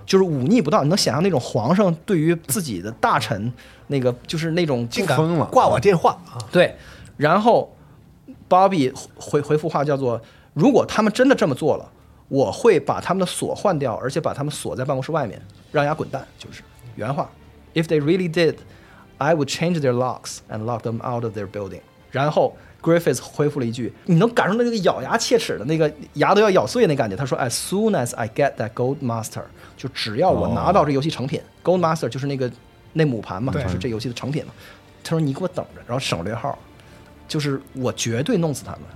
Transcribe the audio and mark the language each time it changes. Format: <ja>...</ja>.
<zh>就是忤逆不当，你能想象那种皇上对于自己的大臣那个就是那种竟敢疯了挂我电话、啊、对，然后 Bobby 回复话叫做：如果他们真的这么做了，我会把他们的锁换掉，而且把他们锁在办公室外面，让人家滚蛋。</zh> <en>就是原话 ：If they really did, I would change their locks and lock them out of their building。</en> <zh>然后。 Griffith 回复了一句，你能感受到那个咬牙切齿的那个牙都要咬碎的那感觉，他说</zh> <en>As soon as I get that gold master，</en> <zh>就只要我拿到这游戏成品、哦、 gold master 就是那个那母盘嘛，就是这游戏的成品嘛，他说你给我等着，然后省略号，就是我绝对弄死他们，</zh>